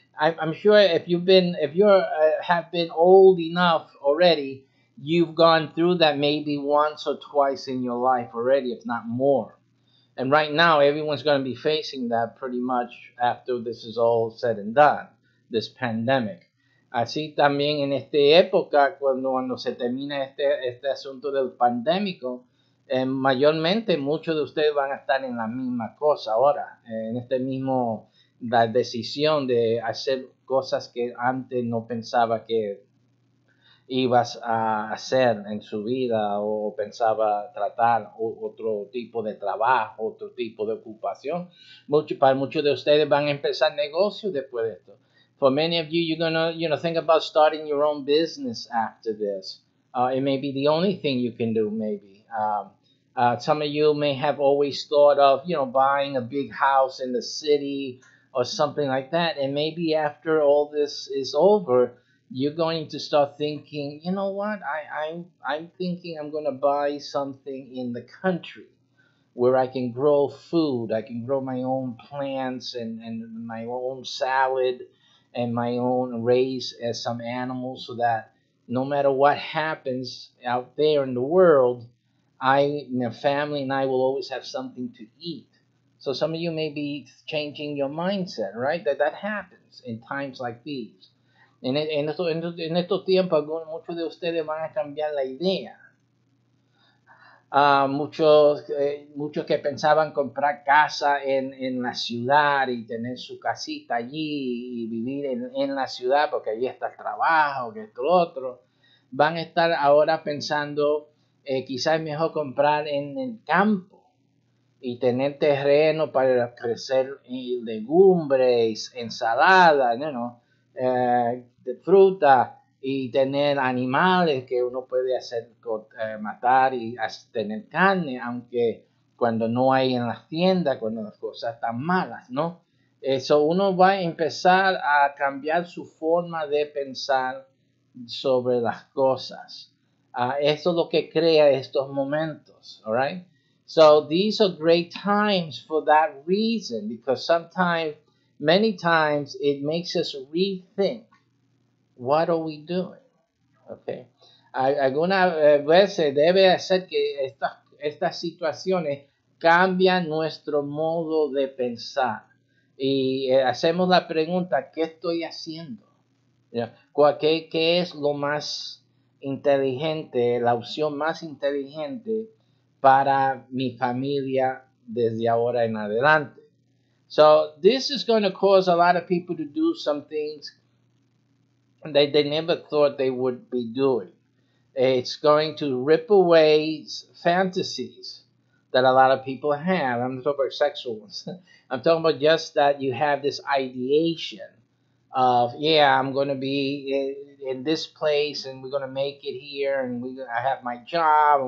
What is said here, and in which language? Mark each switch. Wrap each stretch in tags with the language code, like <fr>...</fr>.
<en>I'm sure if you have been old enough already, you've gone through that maybe once or twice in your life already, if not more. And right now, everyone's going to be facing that pretty much after this is all said and done, this pandemic.</en> <es>Así también en esta época, cuando se termina este asunto del pandémico, mayormente muchos de ustedes van a estar en la misma cosa ahora, en este mismo, la decisión de hacer cosas que antes no pensaba que ibas a hacer en su vida, o pensaba tratar otro tipo de trabajo, otro tipo de ocupación. Para muchos de ustedes van a empezar negocios después de esto.</es> <en>For many of you, you're going to, you know, think about starting your own business after this. It may be the only thing you can do, maybe. Some of you may have always thought of, you know, buying a big house in the city or something like that. And maybe after all this is over, you're going to start thinking, you know what, I'm thinking I'm going to buy something in the country where I can grow food. I can grow my own plants and my own salad and my own raise as some animals, so that no matter what happens out there in the world, my family and I will always have something to eat. So some of you may be changing your mindset, right? That happens in times like these.</en> <es>En estos tiempos, muchos de ustedes van a cambiar la idea. Muchos que pensaban comprar casa en la ciudad y tener su casita allí y vivir en la ciudad porque allí está el trabajo, que esto, lo otro, van a estar ahora pensando, quizás es mejor comprar en el campo y tener terreno para crecer legumbres, ensalada,</es> <en>you know,</en> <es>de fruta, y tener animales que uno puede hacer matar y tener carne, aunque cuando no hay en las tiendas, cuando las cosas están malas, ¿no? Eso, uno va a empezar a cambiar su forma de pensar sobre las cosas. Eso es lo que crea estos momentos,</es> <en>all right? So these are great times for that reason, because sometimes, many times, it makes us rethink, what are we doing, okay?</en> <es>Alguna vez debe hacer que estas situaciones cambian nuestro modo de pensar. Y hacemos la pregunta, ¿qué estoy haciendo? ¿Qué es lo más inteligente, la opción más inteligente para mi familia desde ahora en adelante?</es> <en>So this is going to cause a lot of people to do some things that they never thought they would be doing. It's going to rip away fantasies that a lot of people have. I'm talking about sexual ones. I'm talking about just that you have this ideation of, yeah, I'm going to be in this place and we're going to make it here and I have my job.</en>